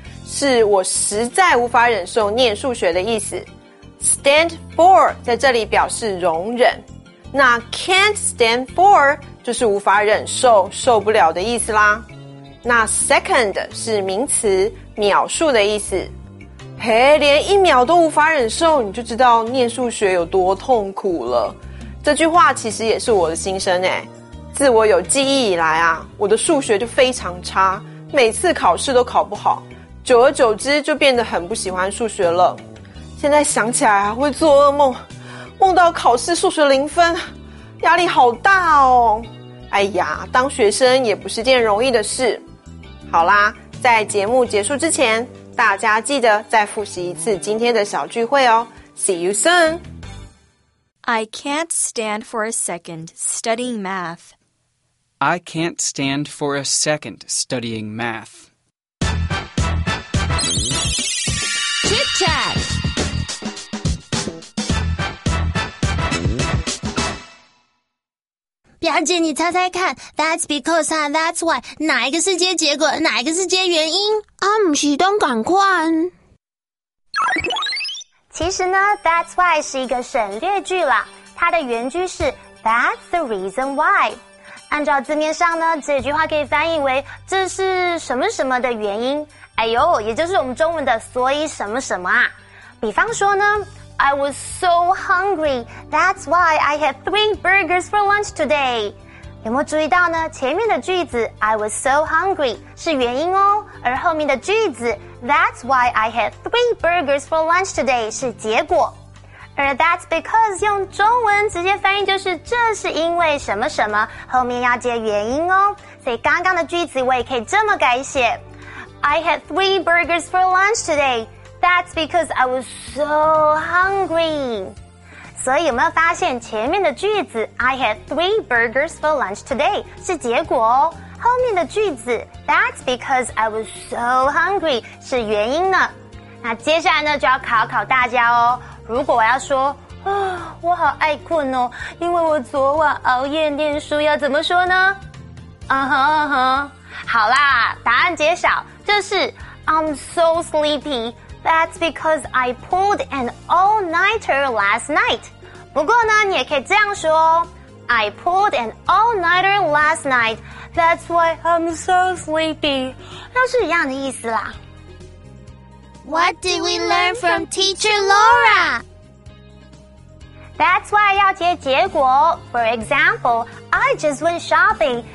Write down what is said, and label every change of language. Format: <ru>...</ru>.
<zh>是我实在无法忍受念数学的意思。 Stand for 在这里表示容忍。那 can't stand for 就是无法忍受、受不了的意思啦。那 second 是名词，秒数的意思。嘿，连一秒都无法忍受，你就知道念数学有多痛苦了。这句话其实也是我的心声诶。自我有记忆以来啊，我的数学就非常差，每次考试都考不好，久而久之就变得很不喜欢数学了。现在想起来还会做噩梦，梦到考试数学零分，压力好大哦。哎呀，当学生也不是件容易的事。好啦，在节目结束之前，大家记得再复习一次今天的小聚会哦。</zh> <en>See you soon! I can't stand for a second studying math. I can't stand for a second studying math. Chit chat!</en> <zh>表姐，你猜猜看 ，That's because 和 That's why 哪一个是接结果，哪一个是接原因？啊，不是，当赶快。其实呢 ，That's why 是一个省略句啦，它的原句是</zh> <en>That's the reason why。</en> <zh>按照字面上呢，这句话可以翻译为这是什么什么的原因。哎呦，也就是我们中文的所以什么什么啊。比方说呢。</zh> <en>I was so hungry. That's why I had 3 burgers for lunch today.</en> <zh>有没有注意到呢？前面的句子</zh> <en>I was so hungry</en> <zh>是原因哦，而后面的句子</zh> <en>That's why I had 3 burgers for lunch today</en> <zh>是结果。而 That's because 用中文直接翻译就是这是因为什么什么，后面要接原因哦。所以刚刚的句子我也可以这么改写</zh> <en>I had 3 burgers for lunch today. That's because I was so hungry.</en> <zh>所以有没有发现前面的句子</zh> <en>I had 3 burgers for lunch today</en> <zh>是结果哦，后面的句子</zh> <en>That's because I was so hungry</en> <zh>是原因呢。那接下来呢就要考考大家哦，如果我要说、哦、我好爱困哦，因为我昨晚熬夜念书，要怎么说呢？好啦，答案揭晓，就是</zh> <en>I'm so sleepyThat's because I pulled an all-nighter last night.</en> <zh>不过呢，你也可以这样说哦。</zh> <en>I pulled an all-nighter last night. That's why I'm so sleepy.</en> <zh>都是一样的意思啦。</zh> <en>What did we learn from teacher Laura? That's why</en> <zh>要接结果。</zh> <en>For example, I just went shopping.</en>